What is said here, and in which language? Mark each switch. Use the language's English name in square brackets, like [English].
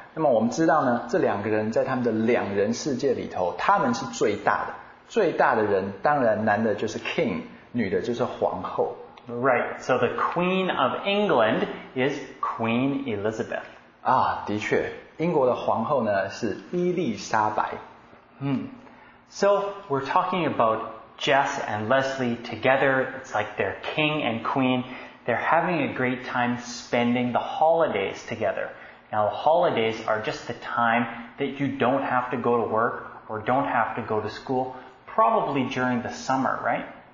[Chinese] 那么我们知道呢这两个人在他们的两人世界里头他们是最大的。最大的人当然男的就是 king。女的就是皇后。 [English] Right, so the Queen of England is Queen Elizabeth. [Chinese] 啊，的确，英国的皇后呢是伊丽莎白。 [English] So we're talking about Jess and Leslie together. It's like they're king and queen. They're having a great time spending the holidays together. Now, holidays are just the time that you don't have to go to work or don't have to go to school, probably during the summer, right?